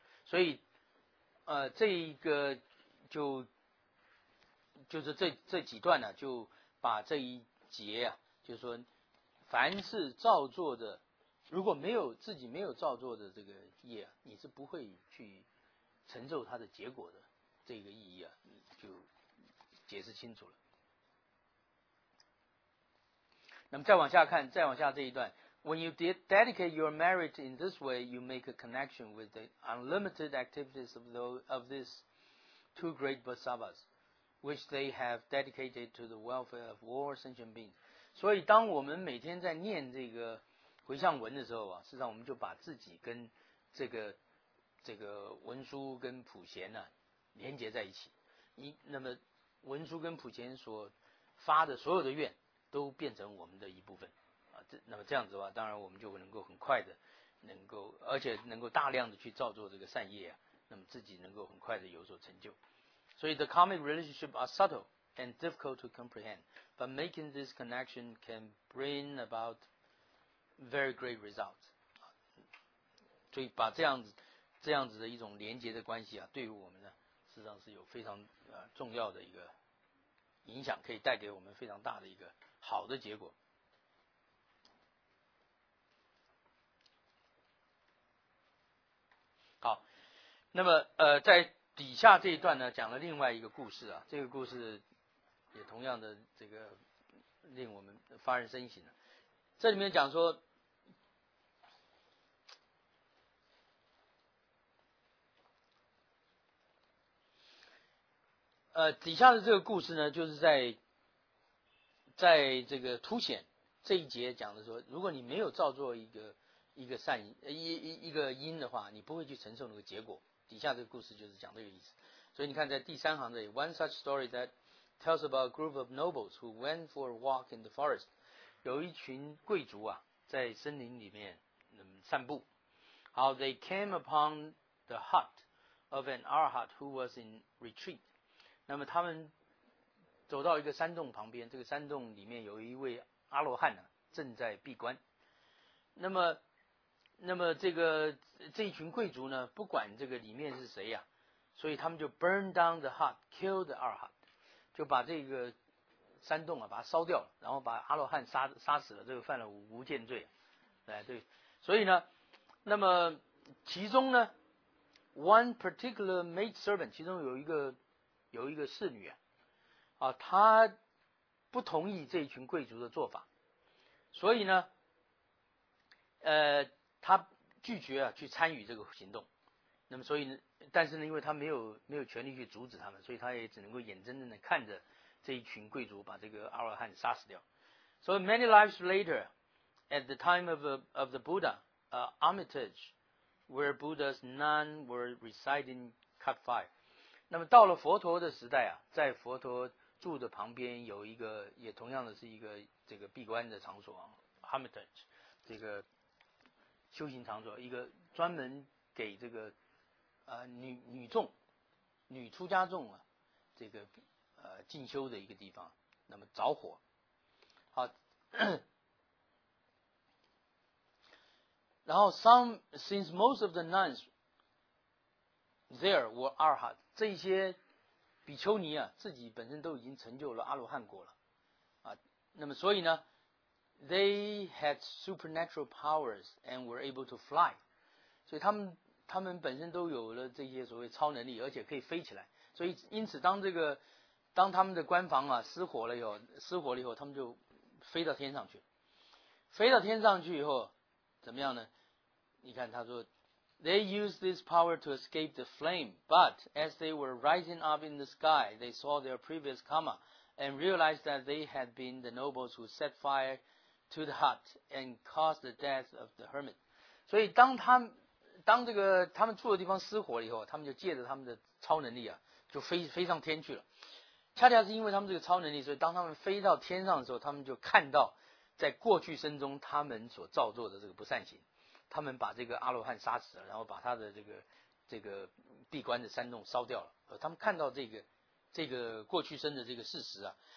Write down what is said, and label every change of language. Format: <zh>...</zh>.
<zh>所以这一个就是这几段呢、啊、就把这一节啊，就是说凡是造作的，如果没有自己没有造作的这个业、啊、你是不会去承受它的结果的，这个意义啊就解释清楚了。那么再往下看，再往下这一段，</zh> <en>When you dedicate your merit in this way, you make a connection with the unlimited activities of these two great bodhisattvas, which they have dedicated to the welfare of all sentient beings.</en> <zh>所以当我们每天在念这个回向文的时候啊，事实上我们就把自己跟这个文殊跟普贤呢、啊、连接在一起。那么文殊跟普贤所发的所有的愿都变成我们的一部分啊，那么这样子的话，当然我们就能够很快的能够，而且能够大量的去造作这个善业啊，那么自己能够很快的有所成就。所以</zh> <en>the karmic relationship are subtle and difficult to comprehend, but making this connection can bring about very great results.</en> <zh>所以把这样子的一种连结的关系啊，对于我们呢，事实上是有非常重要的一个影响，可以带给我们非常大的一个好的结果。好，那么在底下这一段呢，讲了另外一个故事啊，这个故事也同样的这个令我们发人深省的。这里面讲说，底下的这个故事呢，就是在这个凸显这一节讲的说，如果你没有造作一个善一个因的话，你不会去承受那个结果。底下这个故事就是讲这个意思。所以你看在第三行这里，</zh> <en>One such story that tells about a group of nobles who went for a walk in the forest.</en> <zh>有一群贵族啊，在森林里面散步。</zh> <en>How they came upon the hut of an arhat who was in retreat.</en> <zh>那么他们走到一个山洞旁边，这个山洞里面有一位阿罗汉、啊、正在闭关。那么这一群贵族呢，不管这个里面是谁啊，所以他们就</zh> <en>burn down the hut, kill the</en> <zh>阿罗汉，就把这个山洞啊把它烧掉了，然后把阿罗汉杀死了，这个犯了无间罪。对，所以呢，那么其中呢 ，</zh> <en>one particular maid servant,</en> <zh>其中有一个侍女啊，她不同意这一群贵族的做法，所以呢，她拒绝啊去参与这个行动。那么，所以但是呢，因为她没有权利去阻止他们，所以她也只能够眼睁睁的看着这一群贵族把这个阿罗汉杀死掉。</zh> <en>So many lives later, at the time of the Buddha, Armitage, where Buddha's nuns were residing, cut fire.</en> <zh>那么到了佛陀的时代啊，在佛陀住的旁边有一个，也同样的是一个这个闭关的场所啊 ，Hermitage， 这个修行场所，一个专门给这个女众、女出家众啊，这个进修的一个地方。那么着火，好，然后</zh> <en>since most of the nuns。There were arhat.</en> <zh>这些比丘尼啊，自己本身都已经成就了阿罗汉果了啊。那么所以呢</zh> <en>，they had supernatural powers and were able to fly.</en> <zh>所以他们本身都有了这些所谓超能力，而且可以飞起来。所以因此，当他们的官房啊失火了以后，他们就飞到天上去。飞到天上去以后，怎么样呢？你看他说。</zh> <en>They used this power to escape the flame, but as they were rising up in the sky, they saw their previous karma and realized that they had been the nobles who set fire to the hut and caused the death of the hermit.</en> <zh>所以当他们住的地方失火了以后，他们就借着他们的超能力啊，就飞上天去了。恰恰是因为他们这个超能力，所以当他们飞到天上的时候，他们就看到在过去生中他们所造作的这个不善行，他们把这个阿罗汉杀死了，然后把他的这个闭关的山洞烧掉了，他们看到这个过去生的这个事实啊。</zh>